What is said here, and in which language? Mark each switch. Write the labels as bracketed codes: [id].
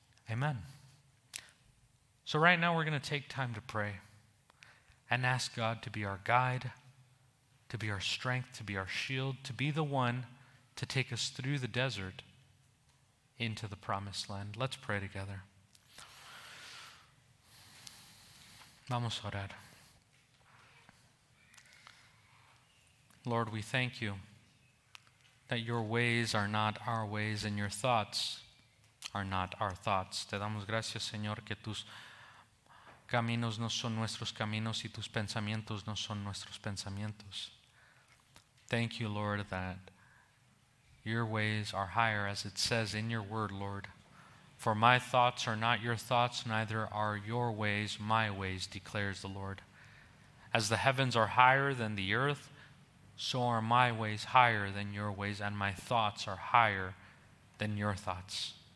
[en] Amen. So right now we're going to take time to pray and ask God to be our guide, to be our strength, to be our shield, to be the one to take us through the desert into the promised land. Let's pray together. [es] Vamos a orar. [en] Lord, we thank you that your ways are not our ways and your thoughts are not our thoughts. [es] Te damos gracias, Señor, que tus caminos no son nuestros caminos y tus pensamientos no son nuestros pensamientos. [en] Thank you, Lord, that your ways are higher, as it says in your word, Lord. For my thoughts are not your thoughts, neither are your ways my ways, declares the Lord. As the heavens are higher than the earth, so are my ways higher than your ways, and my thoughts are higher than your thoughts.